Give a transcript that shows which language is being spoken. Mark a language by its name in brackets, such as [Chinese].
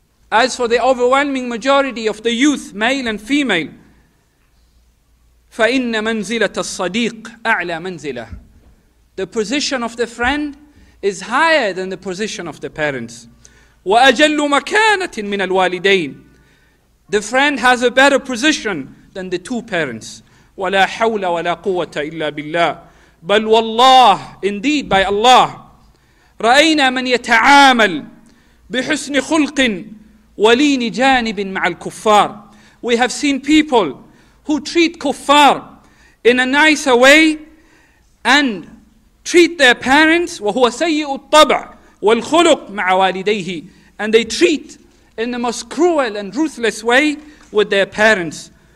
[English] As for the overwhelming majority of the youth, male and female, [Arabic] فَإِنَّ مَنْزِلَةَ الصَّدِيقِ أَعْلَى مَنْزِلَةٍ. [English] The position of the friend is higher than the position of the parents. [Arabic] وَأَجَلُّ مَكَانَةٍ مِنَ الْوَالِدَيْنِ. [English] The friend has a better position than the two parents. [Arabic] وَلَا حَوْلَ وَلَا قُوَّةَ إِلَّا بِاللَّهِ. بل والله [English] indeed by Allah [Arabic] رأينا من يتعامل بحسن خلق ولين جانب مع الكفار. [English] We have seen people who treat kuffar in a nicer way and treat their parents [Arabic] وهو سيء الطبع والخلق مع والديه, [English] and they treat in the most cruel and ruthless way with their parents.